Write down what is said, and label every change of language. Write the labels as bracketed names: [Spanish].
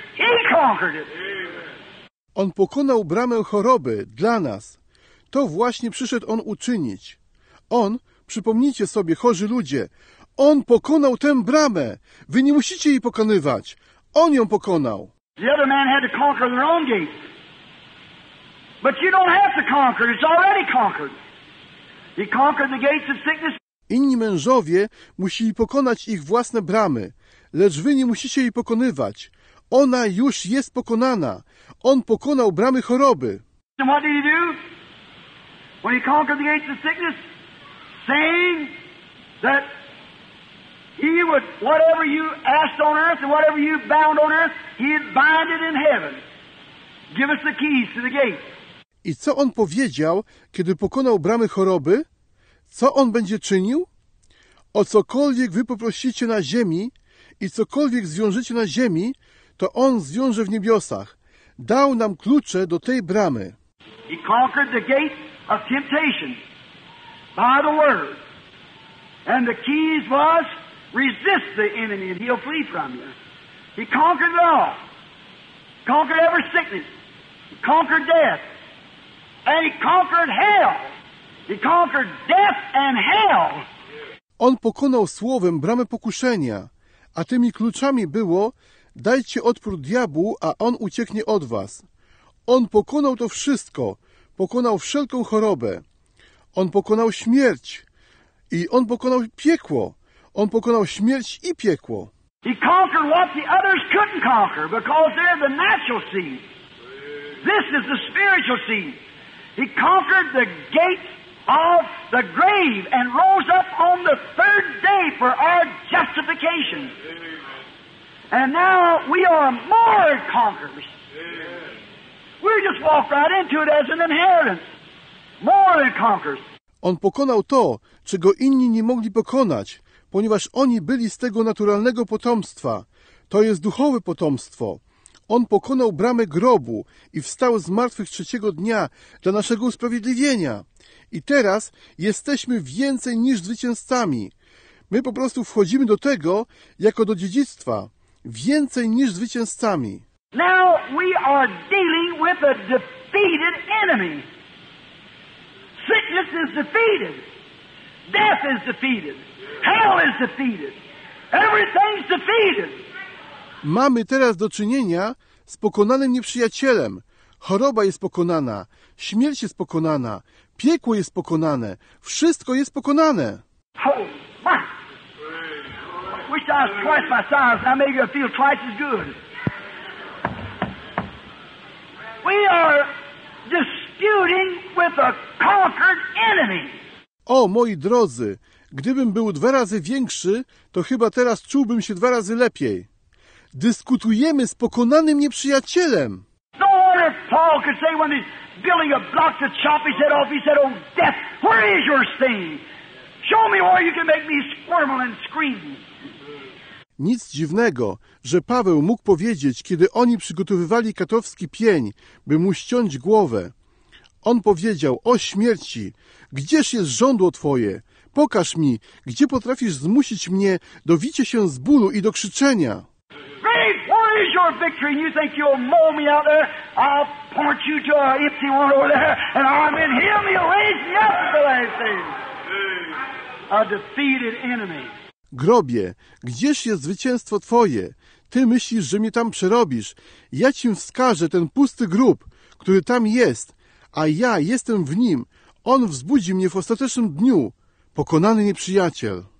[English] He conquered it. [Polish] On pokonał bramę choroby dla nas. To właśnie przyszedł on uczynić. On, przypomnijcie sobie, chorzy ludzie, on pokonał tę bramę. Wy nie musicie jej pokonywać. On ją pokonał. [English] The other man had to conquer their own gate. But you don't have to conquer. It's already conquered. He conquered the gates of sickness. [Polish] Inni mężowie musieli pokonać ich własne bramy, lecz wy nie musicie jej pokonywać. Ona już jest pokonana. On pokonał bramy choroby. [English] And what did he do? When he conquered the gates of sickness, saying that he would, whatever you asked on earth and whatever you bound on earth, he'd bind it in heaven. Give us the keys to the gate. [Polish] I co on powiedział, kiedy pokonał bramy choroby? Co on będzie czynił? O cokolwiek wy poprosicie na ziemi i cokolwiek zwiążecie na ziemi, to on zwiąże w niebiosach. Dał nam klucze do tej bramy. [English] He conquered the gate of temptation by the word. And the keys was, resist the enemy and he'll flee from you. He conquered it all. Conquered every sickness. He conquered death. And he conquered hell. He conquered death and hell. [Polish] On pokonał słowem bramę pokuszenia, a tymi kluczami było, dajcie odpór diabłu, a on ucieknie od was. On pokonał to wszystko. Pokonał wszelką chorobę. On pokonał śmierć. I on pokonał piekło. On pokonał śmierć i piekło. [English] He conquered what the others couldn't conquer because they're the natural seed. This is the spiritual seed. He conquered the gate of the grave and rose up on the third day for our justification. And now we are more conquerors. We just walk right into it as an inheritance. More than conquerors. [Polish] On pokonał to, czego inni nie mogli pokonać, ponieważ oni byli z tego naturalnego potomstwa. To jest duchowe potomstwo. On pokonał bramę grobu i wstał z martwych trzeciego dnia dla naszego usprawiedliwienia. I teraz jesteśmy więcej niż zwycięzcami. My po prostu wchodzimy do tego jako do dziedzictwa. Więcej niż zwycięzcami. [English] Now we are dealing with a defeated enemy. Sickness is defeated. Death is defeated. Hell is defeated. Everything's defeated. [Polish] Mamy teraz do czynienia z pokonanym nieprzyjacielem. Choroba jest pokonana. Śmierć jest pokonana. Piekło jest pokonane. Wszystko jest pokonane. [English] Oh, my. Wish I was twice my size. I made you feel twice as good. We are disputing with a conquered enemy. [Polish] O, moi drodzy, gdybym był dwa razy większy, to chyba teraz czułbym się dwa razy lepiej. Dyskutujemy z pokonanym nieprzyjacielem. [English] No wonder Paul could say when he's building a block to chop his head off, he said, oh, death, where is your sting? Show me where you can make me squirm and scream. [Polish] Nic dziwnego, że Paweł mógł powiedzieć, kiedy oni przygotowywali katowski pień, by mu ściąć głowę. On powiedział, o śmierci, gdzież jest żądło twoje? Pokaż mi, gdzie potrafisz zmusić mnie do wicia się z bólu i do krzyczenia. [English] Grave, where is your victory? You think you'll mow me out there? I'll point you to an empty one over there, and I'm in him, he'll raise me up the last thing. A defeated enemy. [Polish] Grobie, gdzież jest zwycięstwo twoje? Ty myślisz, że mnie tam przerobisz. Ja ci wskażę ten pusty grób, który tam jest, a ja jestem w nim. On wzbudzi mnie w ostatecznym dniu. Pokonany nieprzyjaciel.